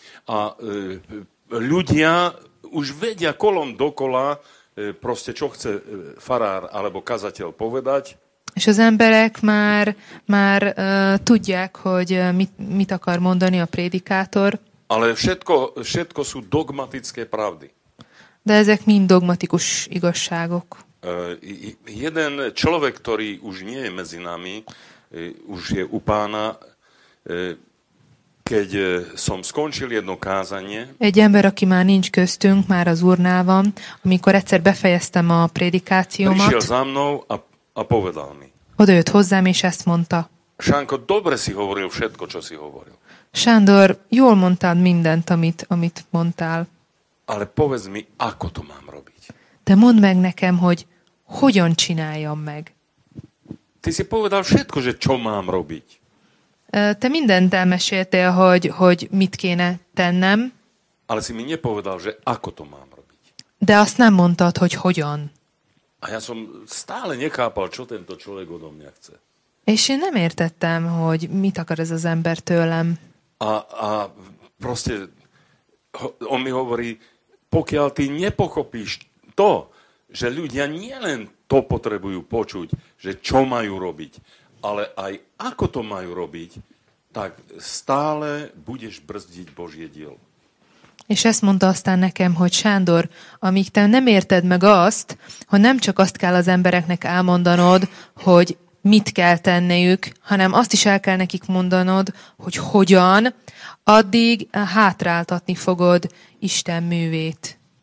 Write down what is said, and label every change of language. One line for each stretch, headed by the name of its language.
Slovak: A ľudia už vedia kolom dokola, proste čo chce farár alebo kazateľ povedať.
Hungarian: És az emberek már tudják, hogy mit akar mondani a prédikátor.
Slovak: Ale všetko sú dogmatické pravdy.
Hungarian: De ezek mind dogmatikus igazságok.
Slovak: Jeden človek, ktorý už nie je medzi nami, už je u pána, keď som skončil jedno kázanie.
Hungarian: Egy ember, aki már nincs köztünk, már az Úrnál van, amikor egyszer befejeztem a prédikációmat.
Slovak: Prišiel za mnou a povedal mi.
Hungarian: Odajött hozzám, és ezt mondta.
Slovak: Sánko, dobre si hovoril všetko, čo si hovoril.
Hungarian: Sándor, jól mondtad mindent, amit mondtál.
Slovak: Ale povedz mi, ako to mám robiť.
Hungarian: De mondd meg nekem, hogy hogyan csináljam meg.
Slovak: Ty si povedal všetko, že čo mám robiť.
Hungarian: Te mindent elmeséltél, hogy mit kéne tennem.
Slovak: Ale si mi nepovedal, že ako to mám robiť.
Hungarian: De azt nem mondtad, hogy hogyan.
Slovak: A ja som stále nechápal, čo tento človek odo mňa chce.
Hungarian: És én nem értettem, hogy mit akar ez az ember tőlem.
Slovak: A proste, on mi hovorí, pokiaľ ty nepochopíš to, že ľudia nielen to potrebujú počuť, že čo majú robiť, ale aj ako to majú robiť, tak stále budeš brzdiť Božie dielo.
Hungarian: És ezt mondta aztán nekem, hogy Sándor, amíg te nem érted meg azt, hogy nem csak azt kell az embereknek elmondanod, hogy mit kell tenniük, hanem azt is el kell nekik mondanod, hogy hogyan, addig hátráltatni fogod Isten művét.